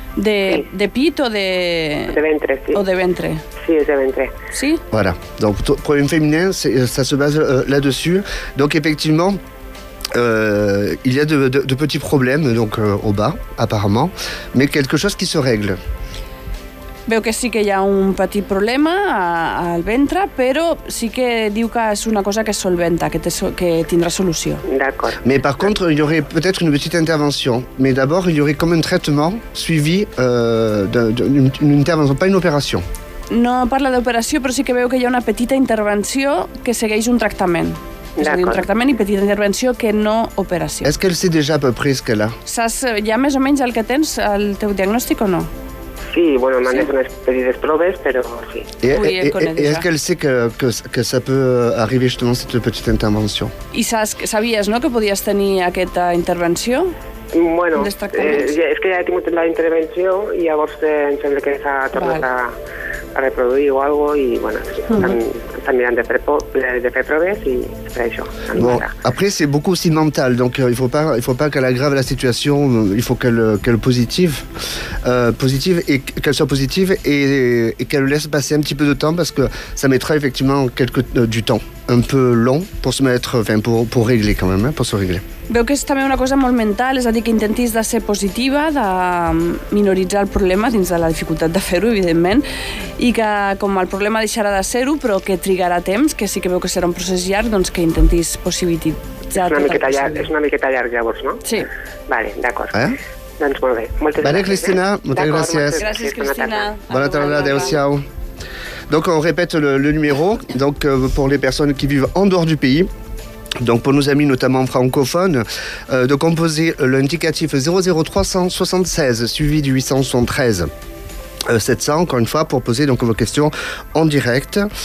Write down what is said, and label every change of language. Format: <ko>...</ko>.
<ca>De pit o de... De ventre, sí. O de ventre. Sí, es de ventre. Sí?</ca> <fr>Voilà. Donc, problème féminin, ça se base là-dessus. Donc, effectivement, il y a de petits problèmes, donc, au bas, apparemment, mais quelque chose qui se règle.</fr> <ca>Veu que sí que hi ha un petit problema al ventre, però sí que diu que és una cosa que es solventa, que tindrà solució.</ca> <fr>D'accord. Mais par contre, il y aurait peut-être une petite intervention. Mais d'abord, il y aurait comme un traitement suivi d'une intervention, pas une opération.</fr> <ca>No parla d'operació, però sí que veu que hi ha una petita intervenció que segueix un tractament.</ca> <fr>D'accord.</fr> <ca>És un tractament i petita intervenció que no operació.</ca> <fr>Est-ce qu'elle sait déjà à peu près ce qu'elle a?</fr> <ca>Saps ja més o menys el que tens, el teu diagnòstic o no? Sí, bueno, m'han fet unes petites proves, però sí. I és que ell sé que</ca> <fr>ça peut arriver justement cette petite intervention.</fr> <ca>I sabies, no, que podies tenir aquesta intervenció? Bueno, és que ja he tingut la intervenció i llavors em sembla que s'ha tornat a reproduir o algo i, bueno, estan mirant de fer proves i per això.</ca> <fr>Bon, après, c'est beaucoup aussi mental, donc il faut pas qu'elle aggrave la situation, il faut qu'elle positive et qu'elle laisse passer un petit peu de temps parce que ça mettra effectivement du temps un peu long pour régler quand même, hein, pour se régler.</fr> <ca>Veu que és també una cosa molt mental, és a dir, que intentis de ser positiva, de minoritzar el problema dins de la dificultat de fer-ho, evidentment, i que com el problema deixarà de ser-ho, però que trigarà temps, que sí que veu que serà un procés llarg, doncs que intentis positivitzar. És una miqueta llarg, llavors, no? Sí. Vale, d'acord. Eh? Doncs molt bé. Moltes gràcies. Vale, Cristina, moltes gràcies. Gràcies, Cristina. Bona tarda, adéu-siau.</ca> <fr>Donc, on répète le numéro, donc, pour les personnes qui vivent en dehors du pays, donc pour nos amis notamment francophones, de composer l'indicatif 00376 suivi du 873 700, encore une fois, pour poser donc, vos questions en direct.</fr>